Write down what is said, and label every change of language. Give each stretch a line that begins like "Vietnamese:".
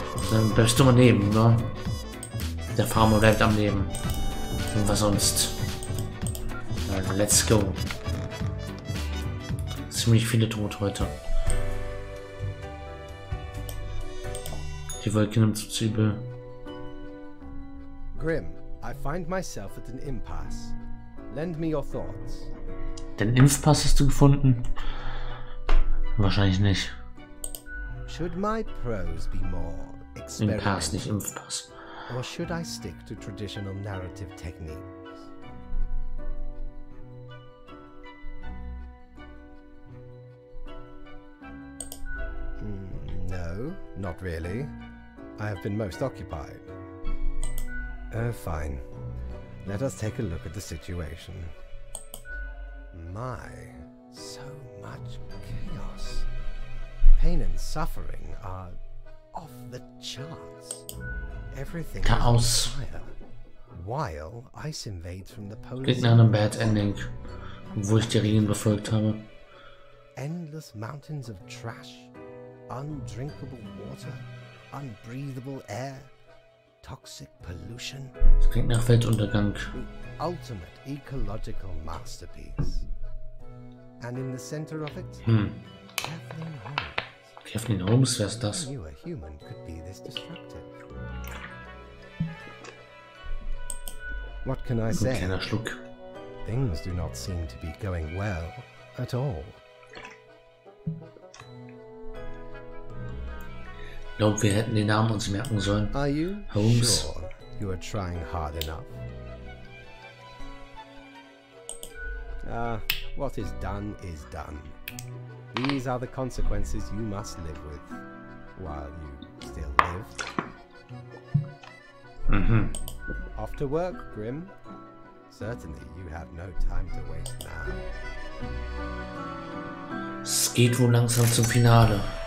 German: Dann bleibst du mal neben, oder? Der Farmer bleibt am Leben. Und was sonst?
English: Let's go.
German: Ziemlich viele tot heute. Die Wolke nimmt zu Zwiebel.
English: Grim, I find myself at an impasse. Lend me your thoughts.
German: Den Impfpass hast du gefunden? Wahrscheinlich nicht.
English: Should my prose be more experimental?
German: Impass, nicht Impfpass.
English: Or should I stick to traditional narrative techniques? No, not really. I have been most occupied. Fine. Let us take a look at the situation. My, so much chaos. Pain and suffering are off the charts. Everything Chaos. Is on fire. while ice invades from the polar.
German: Klingt nach einem Bad Ending, wo ich die Regeln befolgt habe.
English: Endless mountains of trash, undrinkable water, unbreathable air, toxic pollution.
German: Das klingt nach Weltuntergang.
English: Ultimate ecological masterpiece. And in the center of it, Kathleen Holmes.
German: Kathleen Holmes, wer ist das?
English: You, a human, could be this destructive. What can I say?
German: Kleiner Schluck.
English: Things do not seem to be going well at all.
German: Ich glaube, wir hätten den Namen uns merken sollen.
English: Are you Holmes. Sure you are trying hard enough? Ah, what is done is done. These are the consequences you must live with while you still live. Mhm. Off to work, Grim. Certainly you have no time to waste now.
German: Es geht wohl langsam zum Finale.